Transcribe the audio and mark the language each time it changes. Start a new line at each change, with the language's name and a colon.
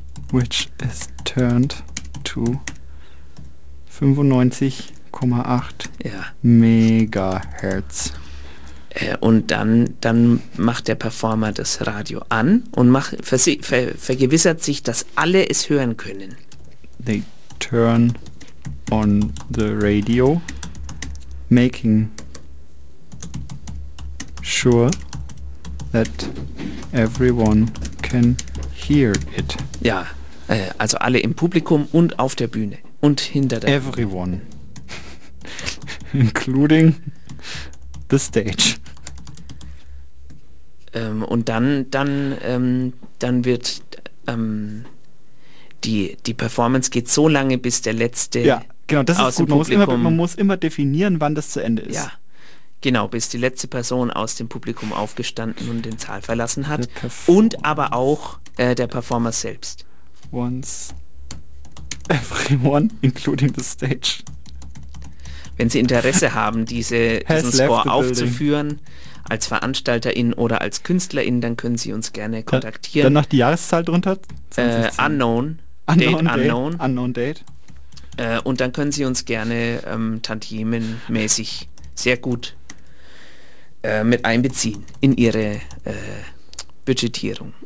English: Which is turned to 95.8 Megahertz.
German: Und dann macht der Performer das Radio an und vergewissert sich, dass alle es hören können.
English: They turn on the radio, making sure that everyone can hear it.
German: Ja, also alle im Publikum und auf der Bühne und hinter der
English: Everyone. Including the stage.
German: Und dann wird die Performance geht so lange, bis der letzte. Ja, genau, das ist gut. Man muss immer definieren, wann das zu Ende ist. Ja, genau, bis die letzte Person aus dem Publikum aufgestanden und den Saal verlassen hat. Und aber auch der Performer selbst.
English: Once everyone, including the stage.
German: Wenn Sie Interesse haben, diesen Score aufzuführen, als VeranstalterIn oder als KünstlerIn, dann können Sie uns gerne kontaktieren. Dann noch die Jahreszahl drunter?
English: Unknown Date.
German: Und dann können Sie uns gerne tantiemenmäßig sehr gut mit einbeziehen in Ihre Budgetierung.